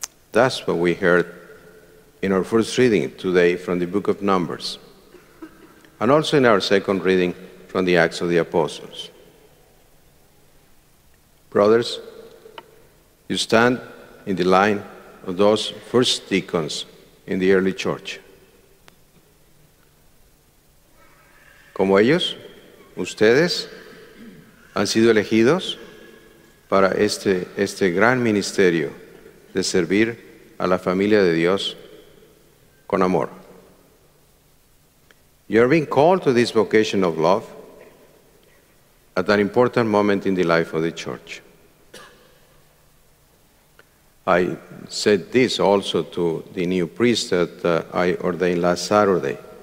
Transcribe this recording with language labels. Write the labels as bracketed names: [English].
[English] That's what we heard in our first reading today from the book of Numbers, and also in our second reading from the Acts of the Apostles. Brothers, you stand in the line of those first deacons in the early church. [Spanish] Como ellos, ustedes han sido elegidos para este gran ministerio de servir a la familia de Dios con amor. [English] You are being called to this vocation of love at an important moment in the life of the church. I said this also to the new priest that I ordained last Saturday.